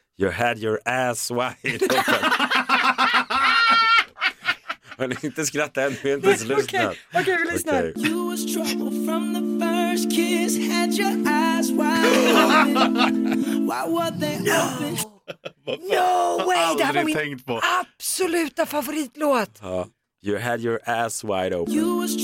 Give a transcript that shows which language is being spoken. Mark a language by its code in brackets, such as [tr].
[en] You had your ass wide open. [sv] Men inte skratta än, vi har inte ens lyssnat. Okej, vi lyssnar. [en] You was trouble from the first kiss. Had your eyes wide open. Why were they open? No way, [sv] det här var min tänkt på. Absoluta favoritlåt. Ja. [en] You had your ass wide open.